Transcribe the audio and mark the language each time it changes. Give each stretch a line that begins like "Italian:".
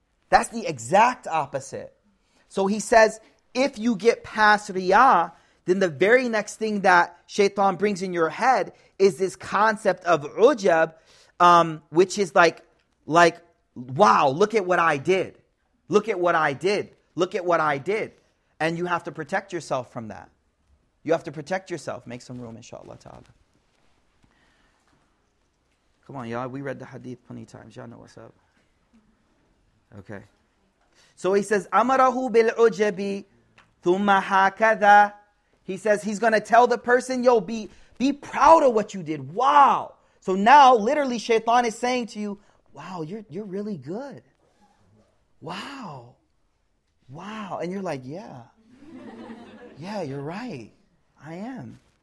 English: That's the exact opposite. So he says, if you get past riyah, then the very next thing that shaitan brings in your head is this concept of ujab, which is like, wow, look at what I did. Look at what I did. Look at what I did. And you have to protect yourself from that. You have to protect yourself. Make some room, inshallah ta'ala. Come on, y'all. We read the hadith plenty of times. Y'all know what's up. Okay. So he says,
Arabic: أَمَرَهُ بِالْعُجَبِ ثُمَّ هَكَذَا.
English: He says he's going to tell the person, yo, be proud of what you did. Wow. So now, literally, shaitan is saying to you, wow, you're really good. Wow. Wow. And you're like, yeah. Yeah, you're right. I am.